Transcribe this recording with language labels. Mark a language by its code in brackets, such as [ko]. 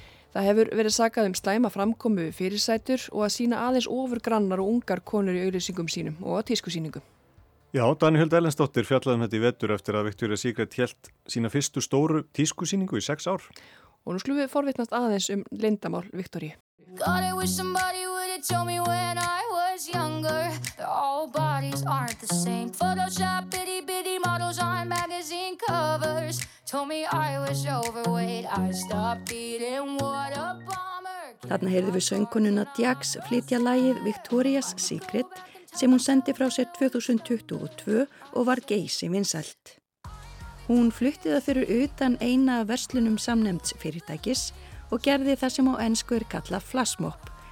[is] Það hefur verið sakað slæma framkomu fyrirsætur og að sýna aðeins ofur grannar og ungar konur í auglýsingum sínum og að tískusýningum. Já, Danihild Ellensdóttir fjallaði þetta í vetur eftir að Victoria's Secret hélt sína fyrstu stóru tískusýningu í 6 ár. Og nú skulum við forvitnast aðeins lindamál Victoria. [en] God, I wish somebody would have told me when I was younger. All bodies aren't the same. Photoshop bitty bitty models on magazine covers. Told me I was overweight. I stopped eating. What a bummer. [is] Þarna heyrðum við söngkonuna Jax flytja lagið Victoria's Secret sem hún sendi frá sér 2022 og var geysi vinsælt. Hún flutti það fyrir utan eina af verslunum samnefnds fyrirtækis og gerði það sem á ensku kalla flashmob.